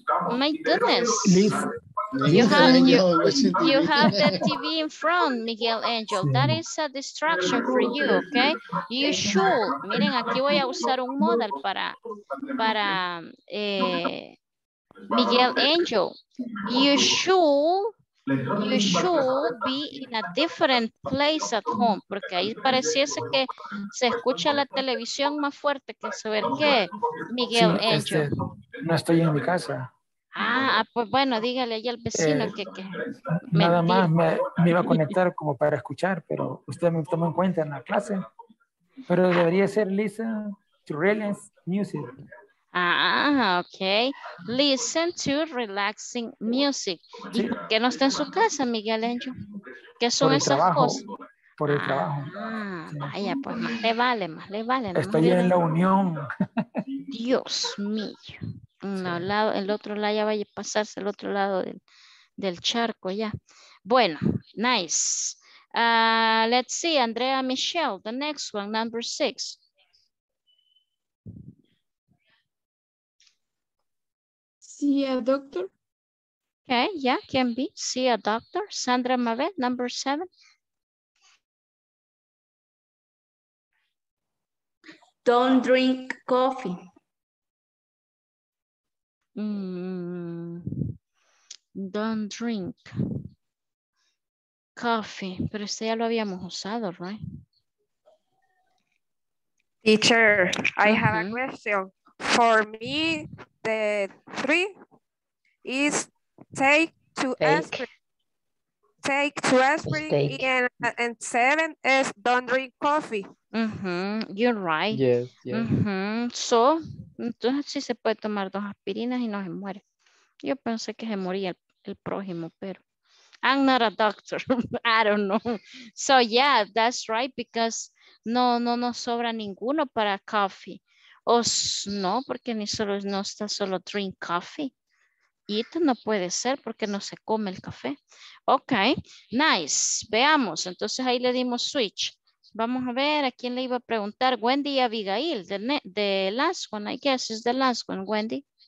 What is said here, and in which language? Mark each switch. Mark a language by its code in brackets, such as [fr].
[en] My goodness. You have the TV in front, Miguel Angel. That is a distraction for you, okay? You should. [es] Miren, aquí voy a usar un modal para Miguel Angel. [en] You should be in a different place at home, [es] porque ahí pareciese que se escucha la televisión más fuerte que saber qué, Miguel Angel. No estoy en mi casa. Ah, pues bueno, dígale ahí al vecino que nada mentir. Más me iba a conectar como para escuchar, pero usted me tomó en cuenta en la clase. Pero debería ser [en] listen to relax music. Ah, okay. Listen to relaxing music. [es] Sí. ¿Y por qué no está en su casa, Miguel Angel? ¿Qué son esas cosas? Por el trabajo. Ah, sí. Vaya, pues más le vale. Estoy en la unión. Dios mío. No, el otro lado ya vaya a pasarse al otro lado del charco ya. Bueno, nice. [en] Let's see, Andrea Michelle, the next one, number 6. [es] Sí, doctor. [en] Okay, yeah, can be. See a doctor. Sandra Mavet, number 7. Don't drink coffee. Don't drink coffee. [es] Pero este ya lo habíamos usado, right? [en] Teacher, I have a question. For me, the 3 is take to aspirin, and 7 is don't drink coffee. You're right. Yes. [es] So, entonces sí se puede tomar 2 aspirinas y no se muere. Yo pensé que se moría el prójimo, pero [en] I'm not a doctor. I don't know. So yeah, that's right, because [es] no nos sobra ninguno para [en] coffee. [es] No, porque ni solo no está solo drink coffee. Eat no puede ser porque no se come el café. Okay, nice. Veamos. Entonces ahí le dimos switch. Vamos a ver a quién le iba a preguntar. [en] Wendy y Abigail, the last one, I guess is the last one, Wendy.